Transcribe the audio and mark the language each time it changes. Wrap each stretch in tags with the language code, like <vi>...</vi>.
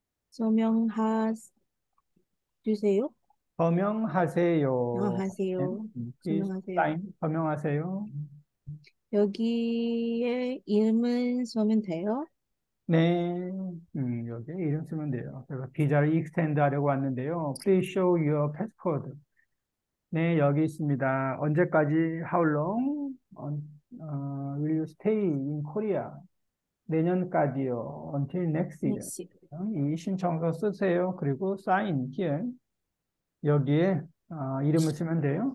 <ko>서명하 주세요. 서명하세요. 아, 하세요.</ko> <en>Please</en> <ko>서명하세요.</ko> <en>sign.</en> <ko>서명하세요. 여기에 이름을 쓰면 돼요? 네. 여기 이름 쓰면 돼요. 제가 비자를 익스텐드 하려고 왔는데요.</ko> <en>Please show your passport.</en> <ko>네, 여기 있습니다. 언제까지?</ko> <en>How long? Will you stay in Korea?</en> <ko>내년까지요.</ko> <en>Until next year. Next.</en> <ko>이 신청서 쓰세요. 그리고 사인 예. 여기에 이름을 쓰면 돼요.</ko>